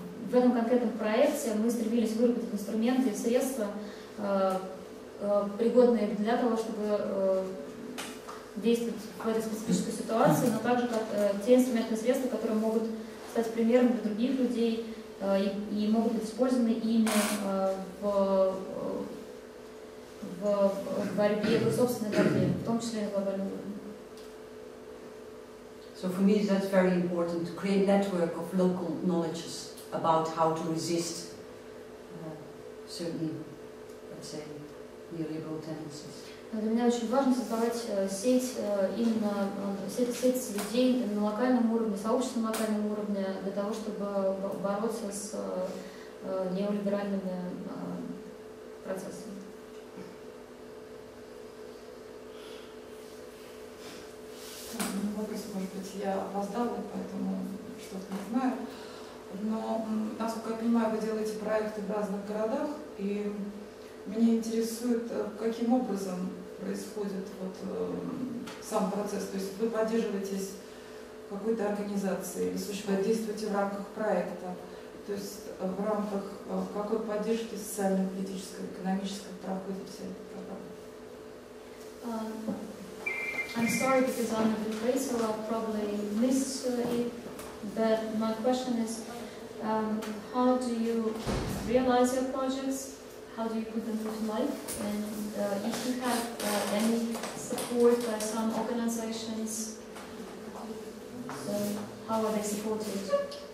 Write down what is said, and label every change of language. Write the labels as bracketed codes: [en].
[ru] В этом конкретном проекте мы стремились выработать инструменты и средства, пригодные для того, чтобы действовать в этой специфической ситуации, но также как те инструменты и средства, которые могут стать примером для других людей и могут быть использованы ими в борьбе, в собственной борьбе, в том числе и в глобальном уровне. [en] So for me that's very important, to create a network of local knowledge about how to resist certain, let's say, neoliberal tendencies. [ru] Для меня очень важно создавать сеть именно сеть людей на локальном уровне, сообщества на локальном уровне, для того, чтобы бороться с неолиберальными процессами. Вопрос, может быть, я опоздала, поэтому что-то не знаю. Но, насколько я понимаю, вы делаете проекты в разных городах, и меня интересует, каким образом происходит вот сам процесс. То есть вы поддерживаетесь какой-то организацией, или существует, действуете в рамках проекта, то есть в рамках какой поддержки социальной, политической, экономической проходит вся эта программа? [en] I'm sorry because I'm a bit late, so I'll probably miss it. But my question is, how do you realize your projects? How do you put them into life? And if you have any support by some organizations, how are they supported?